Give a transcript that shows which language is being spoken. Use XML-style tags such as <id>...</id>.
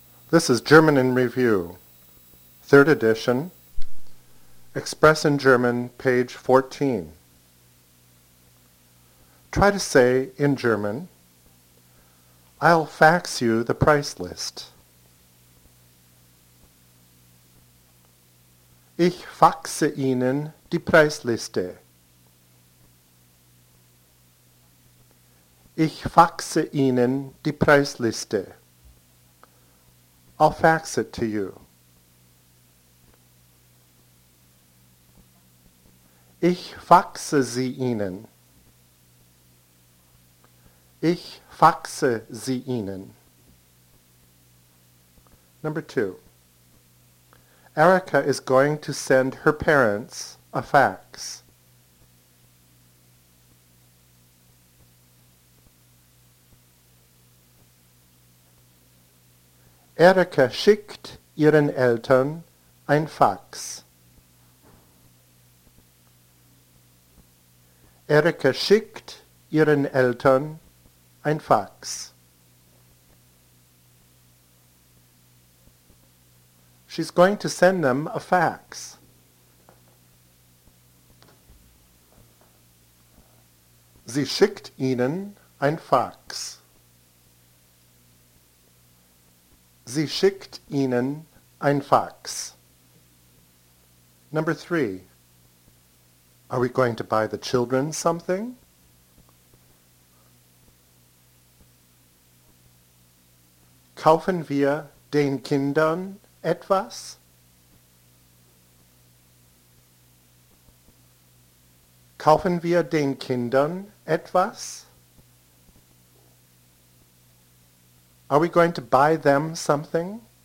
<en>This is German in Review, 3rd edition, Express in German, page 14. Try to say in German, I'll fax you the price list.</en> <de>Ich faxe Ihnen die Preisliste. Ich faxe Ihnen die Preisliste.</de> <en>I'll fax it to you.</en> <de>Ich faxe sie Ihnen. Ich faxe sie Ihnen.</de> <en>Number 2. Erica is going to send her parents a fax.</en> <de>Erika schickt ihren Eltern ein Fax. Erika schickt ihren Eltern ein Fax.</de> <en>She's going to send them a fax.</en> <de>Sie schickt ihnen ein Fax. Sie schickt ihnen ein Fax.</de> <en>Number 3. Are we going to buy the children something?</en> <de>Kaufen wir den Kindern etwas? Kaufen wir den Kindern etwas?</de> <en>Are we going to buy them something?</en>